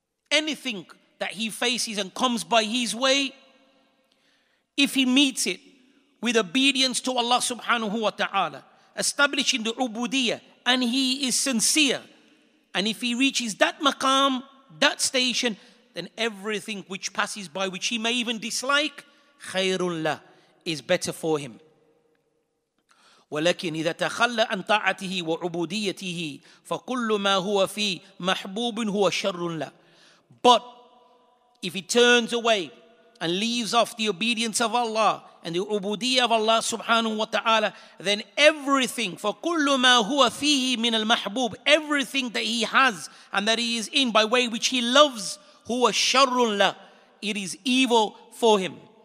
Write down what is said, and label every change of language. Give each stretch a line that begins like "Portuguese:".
English: Anything that he faces and comes by his way, if he meets it with obedience to Allah subhanahu wa ta'ala, establishing the ubudiyah, and he is sincere, and if he reaches that maqam, that station, then everything which passes by, which he may even dislike,
Arabic: khayrun lah,
English: is better for him.
Arabic: ولكن إذا تخلى عن طاعته وعبوديته فكل ما هو فيه محبوب هو شر له.
English: But if he turns away and leaves off the obedience of Allah and the ubudiyah of Allah subhanahu wa ta'ala, then everything,
Arabic: فكل ما هو فيه من المحبوب,
English: everything that he has and that he is in by way which he loves,
Arabic: هو شر له,
English: it is evil for him.